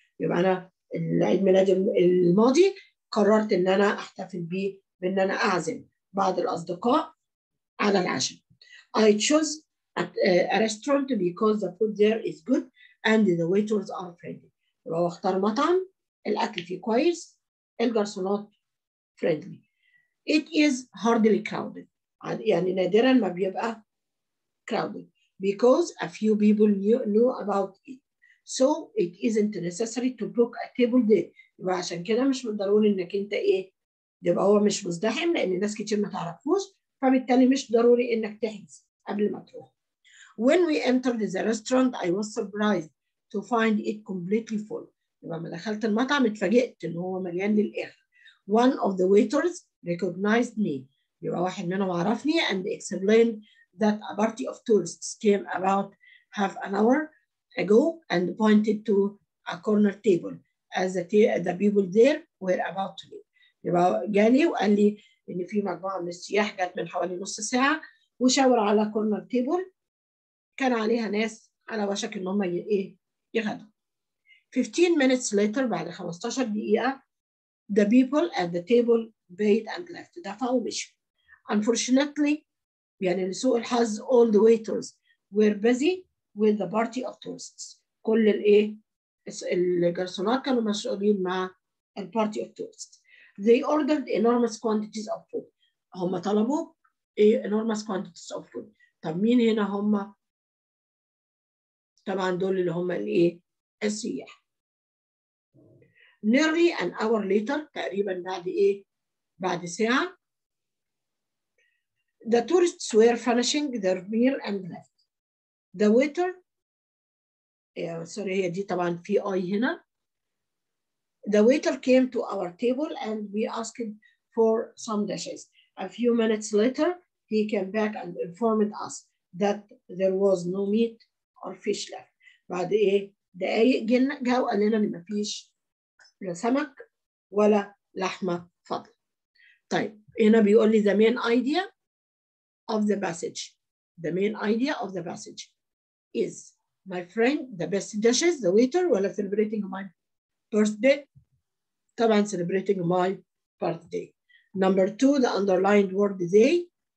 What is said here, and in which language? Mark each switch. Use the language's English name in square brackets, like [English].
[Arabic] يبقى أنا العيد ميلادي الماضي قررت إن أنا أحتفل بيه بإن أنا أعزم بعض الأصدقاء على العشاء. [English] I chose a restaurant because the food there is good and the waiters are friendly. [Arabic] لو اختار مطعم الأكل فيه كويس، الجرسونات friendly. [English] It is hardly crowded. [Arabic] يعني نادرا ما بيبقى [English] crowded because a few people knew about it. So it isn't necessary to book a table there. [Arabic] يبقى عشان كده مش ضروري انك انت ايه؟ يبقى هو مش مزدحم لان ناس كتير ما تعرفوش، فبالتالي مش ضروري انك تحجز قبل ما تروح. [English] When we entered the restaurant, I was surprised to find it completely full. [Arabic] يبقى لما دخلت المطعم اتفاجئت ان هو مليان للاخر. [English] One of the waiters recognized me. [Arabic] يبقى واحد منهم عرفني [English] and explained that a party of tourists came about half an hour ago and pointed to a corner table as the people there were about to leave. [Arabic] يبقى جالي وقال لي ان في مجموعه من السياح جت من حوالي نص ساعه وشاور على كورنر تيبل كان عليها ناس على وشك ان هم ايه يغدوا. [English] 15 minutes later [Arabic] بعد 15 دقيقه [English] the people at the table paid and left. [Arabic] دفعوا ومشوا. [English] Unfortunately, [Arabic] يعني لسوء الحظ, [English] all the waiters were busy with the party of tourists. [Arabic] كل الايه؟ الجرسونات كانوا مشغولين مع ال [English] party of tourists. They ordered enormous quantities of food. [Arabic] هم طلبوا [English] enormous quantities of food. [Arabic] طب مين هنا هم؟ طبعا دول اللي هم الايه؟ السياح. [English] Nearly an hour later, [Arabic] تقريبا بعد ايه؟ بعد ساعة. [English] The tourists were finishing their meal and left. The waiter, yeah, sorry, [Arabic] هي دي طبعا في اي هنا. [English] The waiter came to our table and we asked for some dishes. A few minutes later, he came back and informed us that there was no meat or fish left. [Arabic] بعد ايه؟ دقايق جينا جاوا قال لنا ان مفيش لا سمك ولا لحمه فضل. طيب هنا بيقول لي [English] the main idea of the passage. The main idea of the passage is my friend, the best dishes, the waiter, ولا celebrating my birthday. طبعا celebrating my birthday. Number two, the underlined word they.